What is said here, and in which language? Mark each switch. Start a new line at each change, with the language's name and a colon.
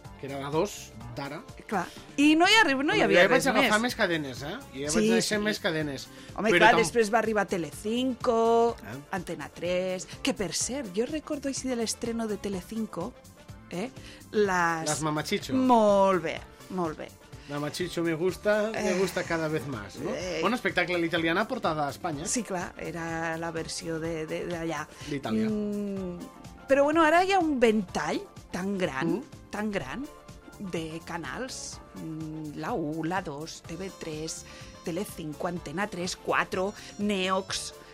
Catalan: Que era la 2 d'ara. Clar. I no hi arriba, no hi havia res més. Jo vaig agafar més cadenes, eh? Jo vaig deixar més cadenes. Home, però clar, després va arribar Telecinco, Antena 3... Que, per cert, jo recordo així de l'estreno de Telecinco, eh? Les Mamachicho. Molt bé, molt bé.
Spanish: Mamachicho me gusta cada vez más, no?
Catalan: Bon espectacle a l'italiana portada a Espanya. Sí, clar, era la versió d'allà. D'Itàlia. Però, bueno, ara hi ha un ventall tan gran... tan gran de canals, la 1, la 2, TV3, Telecinco, Antena 3, 4, Neox...